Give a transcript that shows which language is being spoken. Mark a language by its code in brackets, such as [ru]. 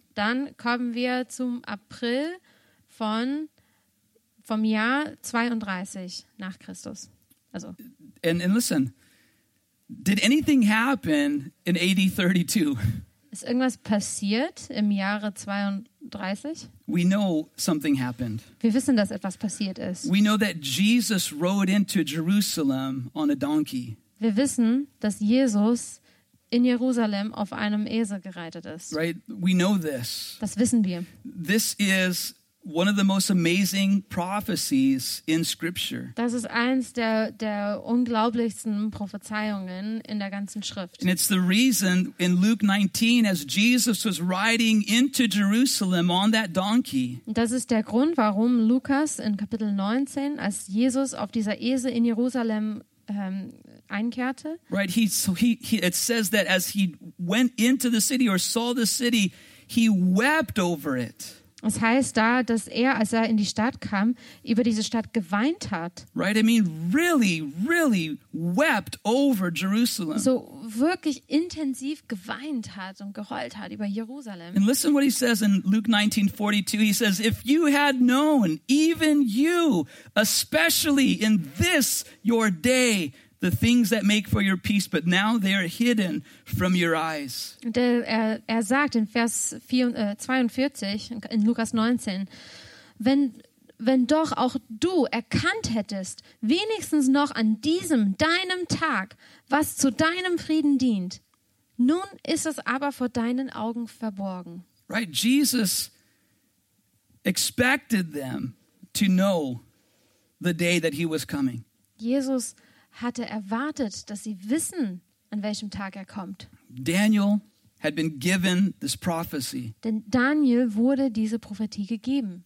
[de] Dann kommen wir zum April vom Jahr 32 nach Christus. Also. [en] And listen, did anything happen in AD 32? [de] Ist irgendwas passiert im Jahre 32? [en] We know something happened. [de] Wir wissen, dass etwas passiert ist. [en] We know that Jesus rode into Jerusalem on a donkey. [de] Wir wissen, dass Jesus in Jerusalem auf einem Esel gereitet ist. [en] Right, we know this. [de] Das wissen wir. [en] This is one of the most amazing prophecies in Scripture. [de] Das ist eins der unglaublichsten Prophezeiungen in der ganzen Schrift. [en] And it's the reason in Luke 19, as Jesus was riding into Jerusalem on that donkey. [de] Das ist der Grund, warum Lukas in Kapitel 19, als Jesus auf dieser Esel in Jerusalem einkehrte. [en] Right, it says that as he went into the city or saw the city, he wept over it. [de] Das heißt da, dass er, als er in die Stadt kam, über diese Stadt geweint hat. [en] Right, I mean, really, really wept over Jerusalem. [de] So wirklich intensiv geweint hat und geheult hat über Jerusalem. [en] And listen what he says in Luke 19:42. He says, if you had known, even you, especially in this your day, the things that make for your peace, but now they are hidden from your eyes. [de] Er sagt in Vers 42 in Lukas 19, wenn doch auch du erkannt hättest, wenigstens noch an diesem, deinem Tag, was zu deinem Frieden dient, nun ist es aber vor deinen Augen verborgen. [en] Right, Jesus expected them to know the day that he was coming. [de] Jesus hatte erwartet, dass sie wissen, an welchem Tag er kommt. [en] Daniel had been given this prophecy. [de] Denn Daniel wurde diese Prophetie gegeben.